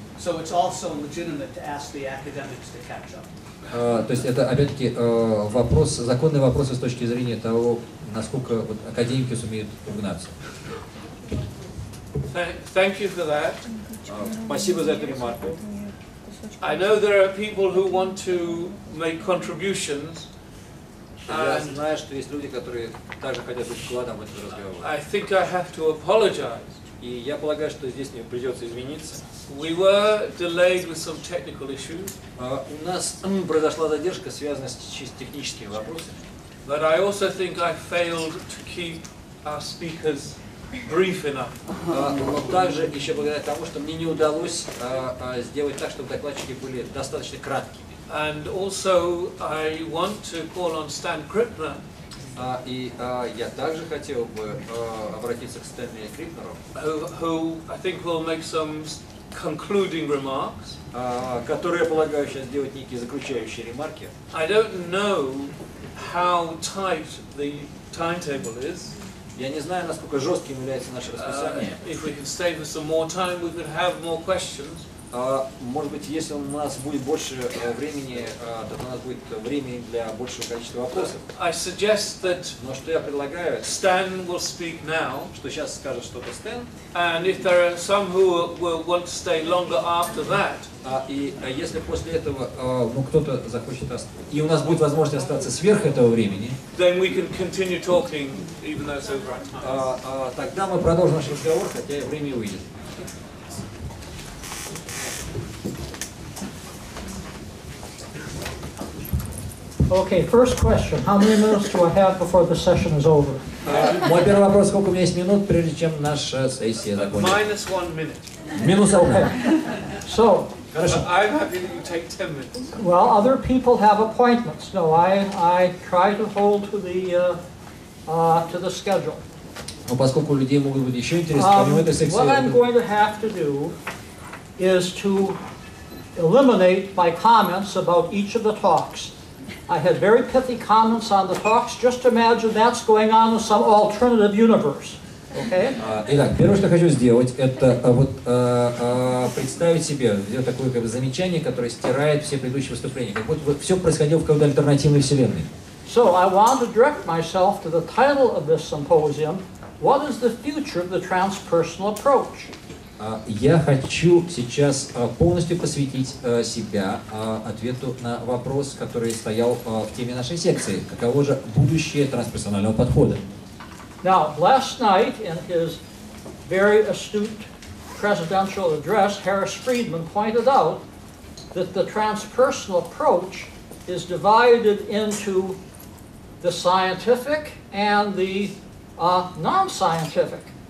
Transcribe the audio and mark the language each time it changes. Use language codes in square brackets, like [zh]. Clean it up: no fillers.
[en] So it's also legitimate to ask the academics to catch up. [ru] То есть это, опять-таки, вопрос, законный вопрос с точки зрения того, насколько вот, академики сумеют угнаться. [en] Thank you for that. [ru] Спасибо за эту ремарку. [en] I know there are people who want to make contributions. [ru] Я знаю, что есть люди, которые также хотят быть вкладом в этот разговор. [en] I think I have to apologize. [ru] И я полагаю, что здесь мне придется извиниться. [en] We were delayed with some technical issues. [ru] У нас произошла задержка, связанная с техническими вопросами. [en] But I also think I failed to keep our speakers brief enough. [ru] Но также еще благодаря тому, что мне не удалось сделать так, чтобы докладчики были достаточно краткими. [en] And also I want to call on Stan Krippner. [ru] Я также хотел бы обратиться к Стэнли Крипнеру, [en] who I think will make some concluding remarks. [ru] Который, я полагаю, сейчас сделает некие заключающие ремарки. [en] I don't know how tight the timetable is. [ru] Я не знаю, насколько жестким является наше расписание. [en] If we can stay for some more time, we could have more questions. [ru] Может быть, если у нас будет больше времени, тогда у нас будет время для большего количества вопросов. [en] I suggest that. [ru] Но что я предлагаю? [en] Stan will speak now. [ru] Что сейчас скажет что-то Стэн? [en] And if there are some who will want to stay longer after that. [ru] И если после этого кто-то захочет остаться, и у нас будет возможность остаться сверх этого времени. [en] Then we can continue talking even though it's over our time. [ru] Тогда мы продолжим наш разговор, хотя и время уйдет. [en] Okay, first question. How many minutes do I have before the session is over? [ru] Мой первый вопрос, сколько у меня есть минут, прежде чем наша сессия закончится? [en] Minus 1 minute. [ru] Минус один. [en] Okay. So, I'm happy that you take 10 minutes. Well, other people have appointments. No, I try to hold to the schedule. [ru] Но поскольку у людей могут быть еще интересы, помимо этой сессии... [en] What I'm going to have to do is to eliminate my comments about each of the talks. I had very pithy comments on the talks. Just imagine that's going on in some alternative universe. Okay? [ru] Итак, первое, что хочу сделать, это представить себе, сделать такое как бы замечание, которое стирает все предыдущие выступления. Как будто все происходило в какой-то альтернативной вселенной. [en] So I want to direct myself to the title of this symposium. What is the future of the transpersonal approach? [ru] Я хочу сейчас полностью посвятить себя ответу на вопрос, который стоял в теме нашей секции. Каково же будущее трансперсонального подхода? [en] Now, last night, in his very astute presidential address, Harris Friedman pointed out that the transpersonal approach is divided into the scientific and the non-scientific.